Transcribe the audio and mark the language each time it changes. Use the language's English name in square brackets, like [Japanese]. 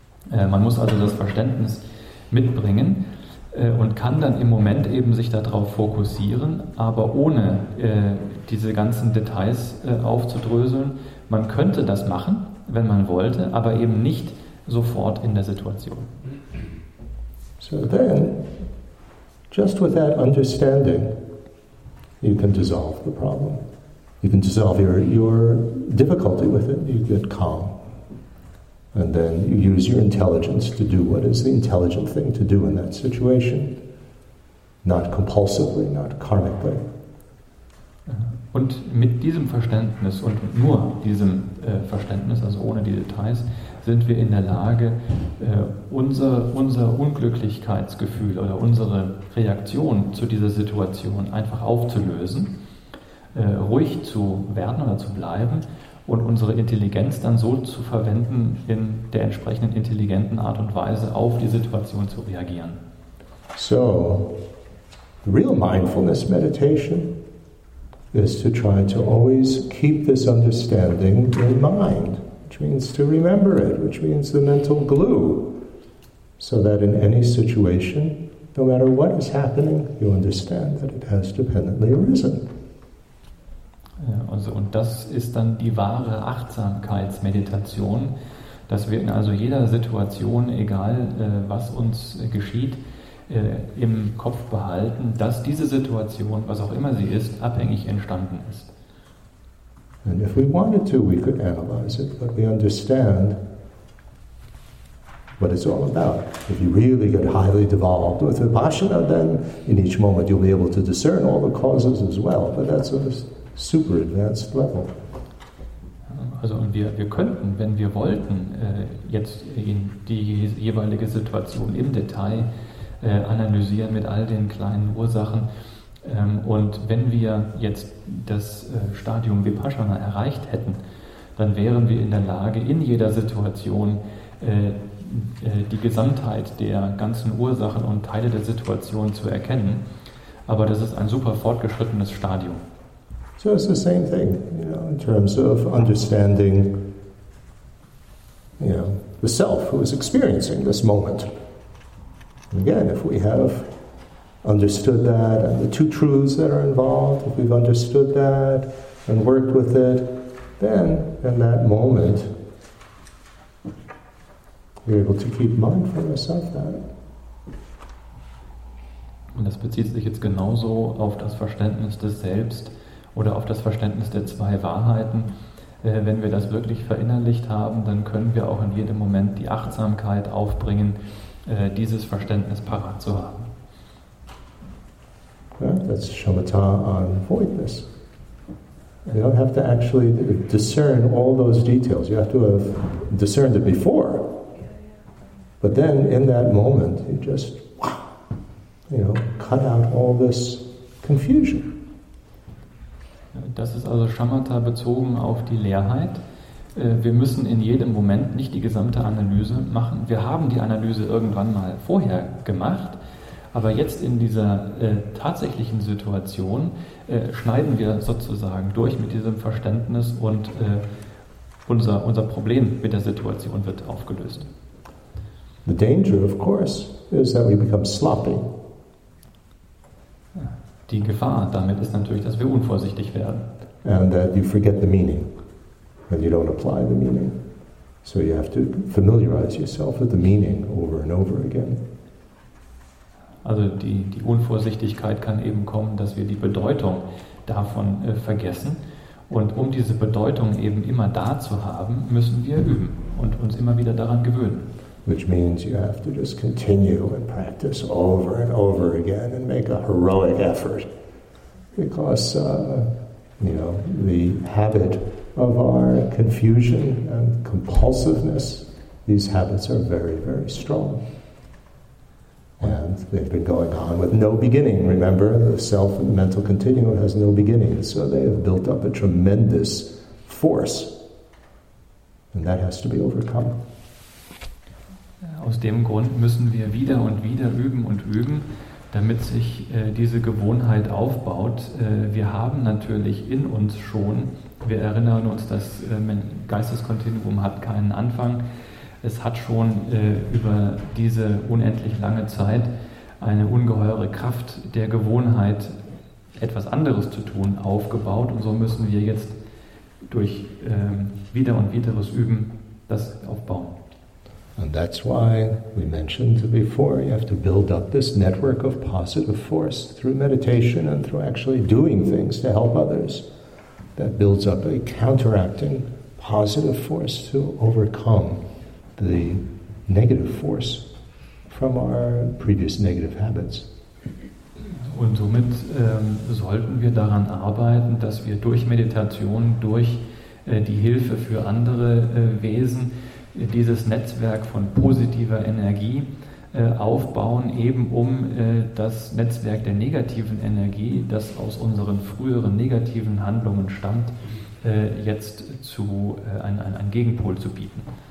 [German] Man muss also das Verständnis mitbringen und kann dann im Moment eben sich darauf fokussieren, aber ohne diese ganzen Details aufzudröseln. Man könnte das machen, wenn man wollte, aber eben nicht sofort in der Situation. [English] So then, just with that understanding, you can dissolve the problem. You can dissolve your difficulty with it. You get calm. And then you use your intelligence to do what is the intelligent thing to do in that situation. Not compulsively, not karmically. [German] Und mit diesem Verständnis und nur diesem Verständnis, also ohne die Details, sind wir in der Lage, unser Unglücklichkeitsgefühl oder unsere Reaktion zu dieser Situation einfach aufzulösen. Ruhig zu werden oder zu bleiben und unsere Intelligenz dann so zu verwenden, in der entsprechenden intelligenten Art und Weise auf die Situation zu reagieren. [English] So, the real mindfulness meditation is to try to always keep this understanding in mind, which means to remember it, which means the mental glue, so that in any situation, no matter what is happening, you understand that it has dependently arisen. [German] Also, und das ist dann die wahre Achtsamkeitsmeditation, dass wir in also jeder Situation, egal was uns geschieht, im Kopf behalten, dass diese Situation, was auch immer sie ist, abhängig entstanden ist. [English] And if we wanted to, we could analyze it, but we understand what it's all about. If you really get highly devolved with Vipassana, then in each moment you'll be able to discern all the causes as well, but that's a super advanced level. [German] Also und wir könnten, wenn wir wollten, jetzt in die jeweilige Situation im Detail analysieren mit all den kleinen Ursachen. Und wenn wir jetzt das Stadium Vipassana erreicht hätten, dann wären wir in der Lage, in jeder Situation die Gesamtheit der ganzen Ursachen und Teile der Situation zu erkennen. Aber das ist ein super fortgeschrittenes Stadium. [English] So it's the same thing, you know, in terms of understanding, you know, the self who is experiencing this moment. Again, if we have understood that and the two truths that are involved, if we've understood that and worked with it, then in that moment we're able to keep mind from the self that. [German] Und das bezieht sich jetzt genauso auf das Verständnis des Selbst oder auf das Verständnis der zwei Wahrheiten. Wenn wir das wirklich verinnerlicht haben, dann können wir auch in jedem Moment die Achtsamkeit aufbringen, dieses Verständnis parat zu haben. [English] That's Shamatha on voidness. You don't have to actually discern all those details. You have to have discerned it before. But then in that moment, you just, you know, cut out all this confusion. [German] Das ist also Shamatha bezogen auf die Leerheit. Wir müssen in jedem Moment nicht die gesamte Analyse machen. Wir haben die Analyse irgendwann mal vorher gemacht, aber jetzt in dieser tatsächlichen Situation schneiden wir sozusagen durch mit diesem Verständnis und unser Problem mit der Situation wird aufgelöst. [English] The danger, of course, is that we become sloppy. [German] Die Gefahr damit ist natürlich, dass wir unvorsichtig werden. [English] And that you forget the meaning and you don't apply the meaning. So you have to familiarize yourself with the meaning over and over again. [German] Also die Unvorsichtigkeit kann eben kommen, dass wir die Bedeutung davon vergessen. Und um diese Bedeutung eben immer da zu haben, müssen wir üben und uns immer wieder daran gewöhnen. [English] Which means you have to just continue and practice over and over again and make a heroic effort. Because, you know, the habit of our confusion and compulsiveness, these habits are very, very strong. And they've been going on with no beginning. Remember, the self and the mental continuum has no beginning. So they have built up a tremendous force. And that has to be overcome. [German] Aus dem Grund müssen wir wieder und wieder üben und üben, damit sich diese Gewohnheit aufbaut. Wir haben natürlich in uns schon, wir erinnern uns, das Geisteskontinuum hat keinen Anfang. Es hat schon über diese unendlich lange Zeit eine ungeheure Kraft der Gewohnheit, etwas anderes zu tun, aufgebaut. Und so müssen wir jetzt durch wieder und wiederes Üben das aufbauen. [English] And that's why we mentioned before, you have to build up this network of positive force through meditation and through actually doing things to help others. That builds up a counteracting positive force to overcome the negative force from our previous negative habits. [German] Und somit sollten wir daran arbeiten, dass wir durch Meditation, durch die Hilfe für andere Wesen, dieses Netzwerk von positiver Energie aufbauen, eben um das Netzwerk der negativen Energie, das aus unseren früheren negativen Handlungen stammt, jetzt zu einen Gegenpol zu bieten.